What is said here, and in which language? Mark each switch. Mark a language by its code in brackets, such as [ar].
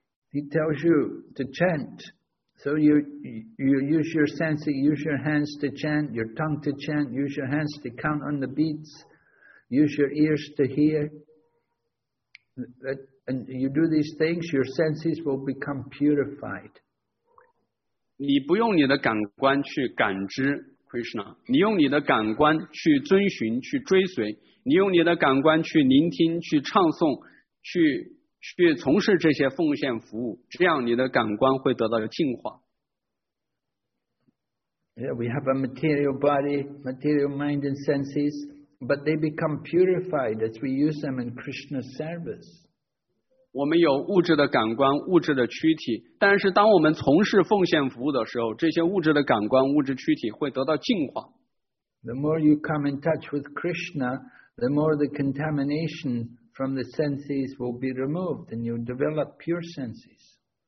[en] He tells you to chant. So you use your senses, use your hands to chant, your tongue to chant, use your hands to count on the beats, use your ears to hear. And you do these things, your senses will become purified. [zh] 你不用你的感官去感知 Krishna, 你用你的感官去遵循，去追随，你用你的感官去聆听，去唱诵，去从事这些奉献服务，这样你的感官会得到净化。 [en] Yeah, we have a material body, material mind and senses, but they become purified as we use them in Krishna's service. [zh] 我们有物质的感官、物质的躯体，但是当我们从事奉献服务的时候，这些物质的感官、物质躯体会得到净化。 [en] The more you come in touch with Krishna, the more the contamination from the senses will be removed and you develop pure senses.